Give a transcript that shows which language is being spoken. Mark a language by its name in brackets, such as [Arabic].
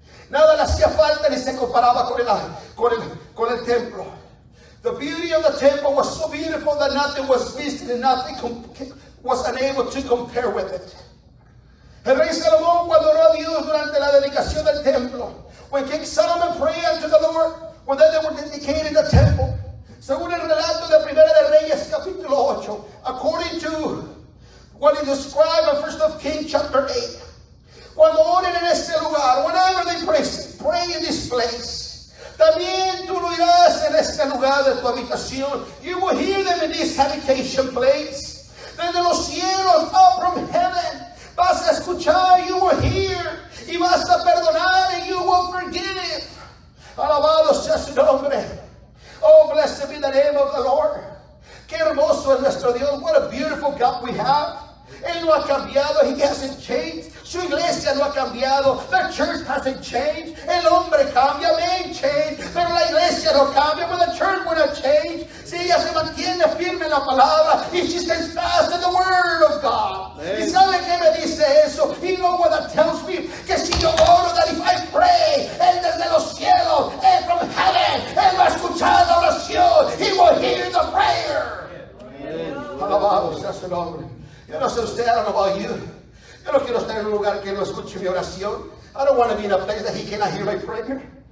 [Spanish] Nada le hacía falta ni se comparaba con el templo. [English] The beauty of the temple was so beautiful that nothing was missing and nothing was unable to compare with it. [Spanish] El rey Salomón cuando oró a Dios durante la dedicación del templo. [English] When King Solomon prayed to the Lord, when they were dedicating the temple. [Spanish] Según el relato de Primera de Reyes, capítulo 8, [English] according to what is described in First of Kings, chapter 8. [Spanish] Cuando oren en este lugar, [English] whenever they pray in this place, [Spanish] también tú lo irás en este lugar de tu habitación. [English] You will hear them in this habitation place. [Spanish] Desde los cielos, [English] up from heaven, [Spanish] vas a escuchar, [English] you will hear, [Spanish] y vas a perdonar, [English] and you will forgive. [Spanish] Alabado sea su nombre. [English] Oh, blessed be the name of the Lord. [Spanish] Qué hermoso es nuestro Dios. [English] What a beautiful God we have. [Spanish] Él no ha cambiado. [English] He hasn't changed. [Spanish] Su iglesia no ha cambiado. [English] The church hasn't changed. [Spanish] El hombre cambia. [English] Man changed. [Spanish] Pero la iglesia no cambia. [English] But the church will not change. [Spanish] Si ella se mantiene firme en la palabra. [English] If she stands fast in the word of God. [Spanish] Amen. ¿Y sabe qué me dice eso? [English] You know what that tells me? [Spanish] Que si yo oro, [English] that if I pray, [Spanish] Él desde los cielos, Él [English] from heaven, [Spanish] Él va a escuchar la oración. [English] He will hear the prayer. [Spanish] Alabado sea su nombre. Yo no sé usted, [English] I don't know about you. [Spanish] Yo no quiero estar en un lugar que no escuche mi oración. [English] I don't want to be in a place that he cannot hear my prayer.